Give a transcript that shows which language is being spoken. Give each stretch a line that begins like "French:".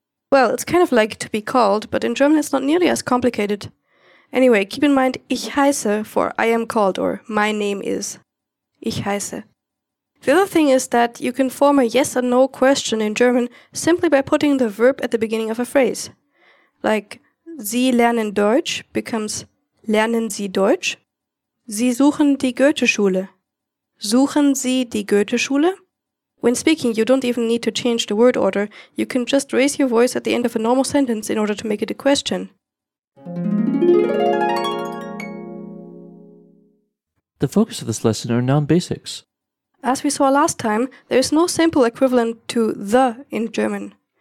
English: Well, it's kind of like to be called, but in German it's not nearly as complicated. Anyway, keep in mind, ich heiße, for I am called, or my name is. Ich heiße. The other thing is that you can form a yes or no question in German simply by putting the verb at the beginning of a phrase. Like, Sie lernen Deutsch becomes Lernen Sie Deutsch?
German: Sie suchen die Goetheschule. Suchen Sie die Goetheschule?
English: When speaking, you don't even need to change the word order. You can just raise your voice at the end of a normal sentence in order to make it a question. The focus of this lesson are noun basics. As we saw last time, there is no simple equivalent to the in German.